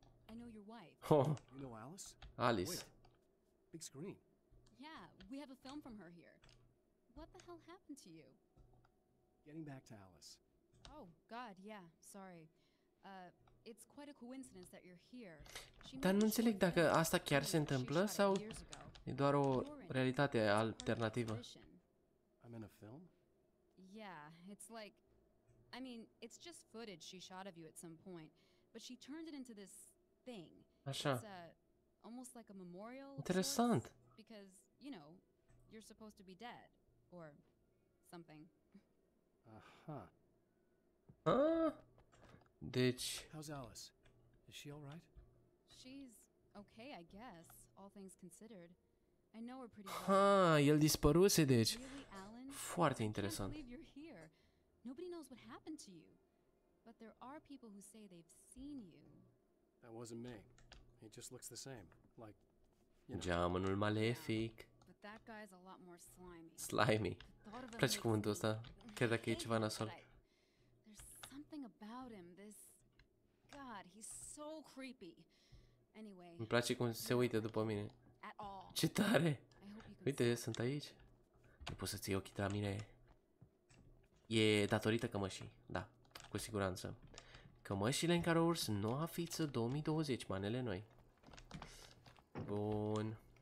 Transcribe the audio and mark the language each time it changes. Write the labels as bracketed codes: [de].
[en] I know your wife. Oh. You know Alice? Alice. Wait. Big screen. Yeah, we have a film from her here. What the hell happened to you? Getting back to Alice. Oh, God, yeah, sorry. It's quite a coincidence that you're here. [ro] Dar nu înțeleg dacă asta chiar se întâmplă sau e doar o realitate alternativă. [en] I'm in a film? Yeah, it's like, I mean, it's just footage she shot of you at some point, but she turned it into this thing. [ro] Așa. [en] Almost like a memorial. [ro] Interesant. [en] Because, you know, you're supposed to be dead or something. Aha. [ro] Ah. Deci, [en] how's Alice? Is she all right? She's okay, I guess, all things considered. I know her pretty well. [ro] Ha, el dispăruse, deci. [en] Really, Alan? [ro] Foarte interesant. [en] You're here. Nobody knows what happened to you. But there are people who say they've seen you. That wasn't me. He just looks the same. Like, you know. [ro] Geamănul malefic. [en] But that guy's a lot more slimy. [ro] Slimy. Place cuvântul ăsta. Cred dacă e ceva nasol. [en] There's something about him. This God, he's so creepy. Anyway. [ro] Îmi place cum se uită după mine. Ce tare. Uite, sunt aici. Nu poți să ții ochii de la mine. E datorită cămășii. Da, cu siguranță. Cămășile în care au urs noua fiță 2020, manele noi. Bun.